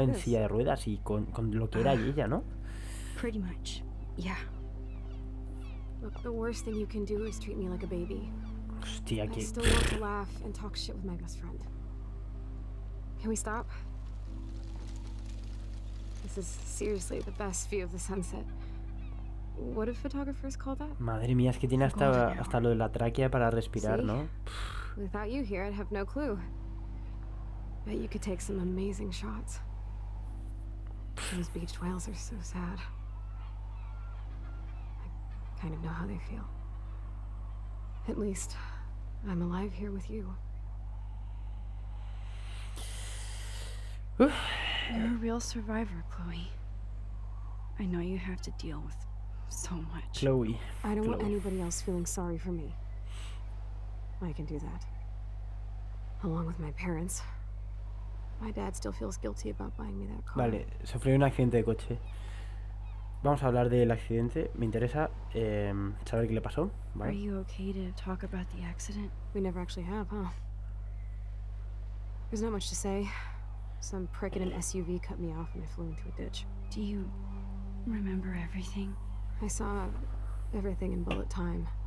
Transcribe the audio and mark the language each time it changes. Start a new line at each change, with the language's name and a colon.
Spanish: En silla de ruedas y con lo que era ella, ¿no?
English: Pretty much, yeah. Look, the worst thing you can do is treat me like a baby.
Spanish: Hostia, qué...
English: I still want to laugh and talk shit with my best friend. Can we stop? This is seriously the best view of the sunset. What do photographers call that?
Spanish: Madre mía, es que tiene hasta lo de la tráquea para respirar,
English: see?
Spanish: ¿No?
English: Without you here, I'd have no clue. Bet you could take some amazing shots. Those beached whales are so sad. I kind of know how they feel. At least, I'm alive here with you. You're a real survivor, Chloe. I know you have to deal with so much. Chloe. I don't want anybody else feeling sorry for me. I can do that. Along with my parents. My dad still feels guilty about buying me that car.
Spanish: Vale, sufrió un accidente de coche. Vamos a hablar del accidente. Me interesa saber qué le pasó. Vale.
English: Are you okay to talk about the accident? We never actually have, huh? There's not much to say. Some prick in an SUV cut me off and I flew into a ditch. Do you remember everything? I saw everything in bullet time.